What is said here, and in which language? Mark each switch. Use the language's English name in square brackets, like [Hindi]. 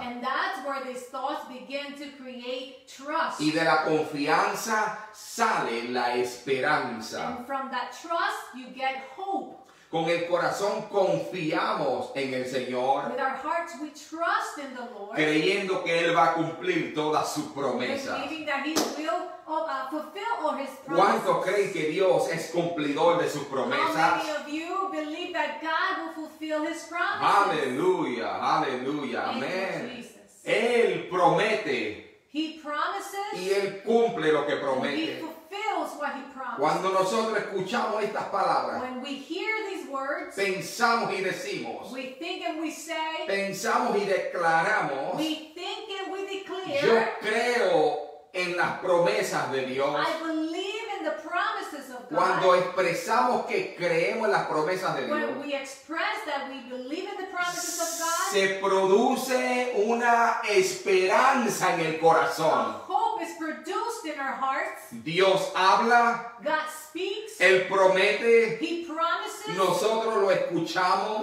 [English] And that's where these thoughts begin to create trust. [Spanish] Y de la confianza sale la esperanza. [English] And from that trust you get hope. [Spanish] Con el corazón confiamos en el Señor. [English] With our hearts we trust in the Lord. [Spanish] Creyendo que Él va a cumplir todas sus promesas. [English] Believing that He will fulfill all His promises. [Spanish] ¿Cuántos creen que Dios es cumplidor de sus promesas? [English] How many of you believe that God will fulfill His promises? [Spanish] Aleluya, aleluya, amén. Él promete. [English] He promises. [Spanish] Y Él cumple lo que promete. Cuando nosotros escuchamos estas palabras, [English] when we hear these words, [Spanish] pensamos y decimos, [English] we think and we say, [Spanish] pensamos y declaramos, [English] we think and we declare, [Spanish] yo creo en las promesas de Dios. [English] I believe in the promises of God. [Spanish] Cuando expresamos que creemos en las promesas de Dios, [English] when we express that we believe in the promises of God, [Spanish] se produce una esperanza en el corazón. [English] Is produced in our hearts. [Spanish] Dios habla. [English] God speaks. [Spanish] Él promete. [English] He promises. [Spanish] Nosotros lo escuchamos.